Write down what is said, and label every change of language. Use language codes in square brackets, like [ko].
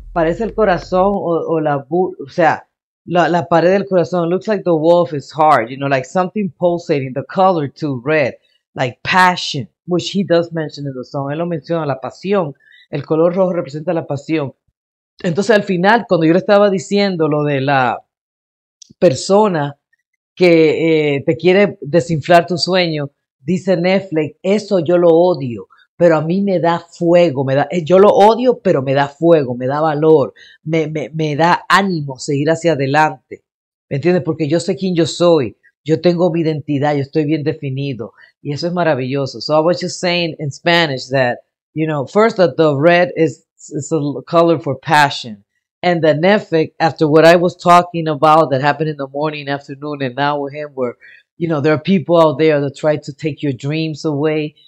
[es] Parece el corazón o la, o sea, la pared del corazón. [en] It looks like the wall of his heart, you know, like something pulsating, the color too red, like passion, which he does mention in the song. [es] Él lo menciona, la pasión. El color rojo representa la pasión. Entonces, al final, cuando yo le estaba diciendo lo de la persona que te quiere desinflar tu sueño, dice Netflix, eso yo lo odio. Pero a mí me da fuego, yo lo odio, pero me da fuego, me da valor, me da ánimo seguir hacia adelante. ¿Me entiendes? Porque yo sé quién yo soy, yo tengo mi identidad, yo estoy bien definido. Y eso es maravilloso. [en] So I was just saying in Spanish that, you know, first that the red is a color for passion. And the Netflix, after what I was talking about that happened in the morning, afternoon, and now with him, where, you know, there are people out there that try to take your dreams away.